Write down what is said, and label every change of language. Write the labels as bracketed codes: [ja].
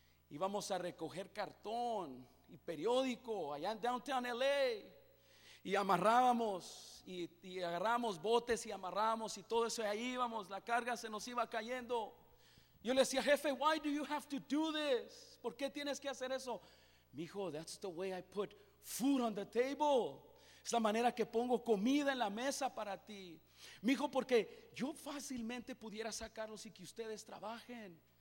[es] Íbamos a recoger cartón y periódico allá en downtown LA. Y amarrábamos y agarrábamos botes y amarrábamos y todo eso. Y ahí íbamos, la carga se nos iba cayendo. Yo le decía, jefe, [en] why do you have to do this? [es] ¿Por qué tienes que hacer eso? [en] Mijo, that's the way I put food on the table. [es] Es la manera que pongo comida en la mesa para ti. Mijo, porque yo fácilmente pudiera sacarlos y que ustedes trabajen.